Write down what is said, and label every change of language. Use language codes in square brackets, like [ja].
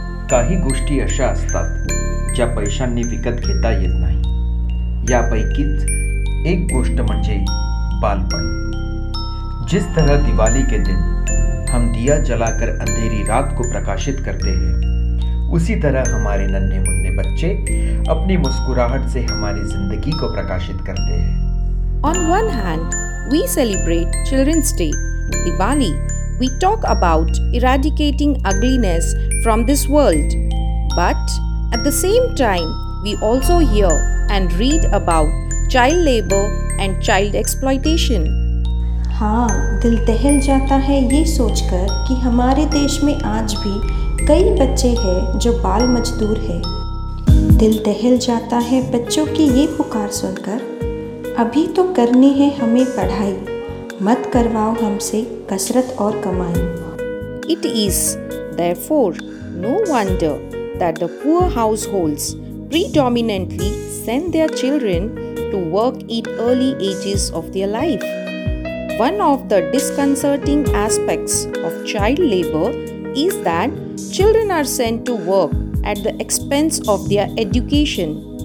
[mr] काही गोष्टी अशा असतात ज्या पैशांनी विकत घेता येत नाही। यापैकीच एक गोष्ट म्हणजे बालपण। [hi] जिस तरह दिवाली के दिन हम दिया जलाकर अंधेरी रात को प्रकाशित करते हैं, उसी तरह हमारे नन्हे मुन्ने बच्चे अपनी मुस्कुराहट से हमारी जिंदगी को प्रकाशित करते हैं। [en] On one hand, we celebrate Children's Day, Diwali. We talk about eradicating ugliness from this world. But at the same time, we also hear and read about child labor and child exploitation. [hi] हाँ, दिल दहल जाता है ये सोचकर कि हमारे देश में आज भी कई बच्चे हैं जो बाल मजदूर हैं। दिल दहल जाता है बच्चों की ये पुकार सुनकर, अभी तो करनी है हमें पढ़ाई, मत करवाओ हमसे कसरत और कमाई। [en] It is therefore no wonder that the poor households predominantly send their children to work at early ages of their life. One of the disconcerting aspects of child labor is that children are sent to work at the expense of their education.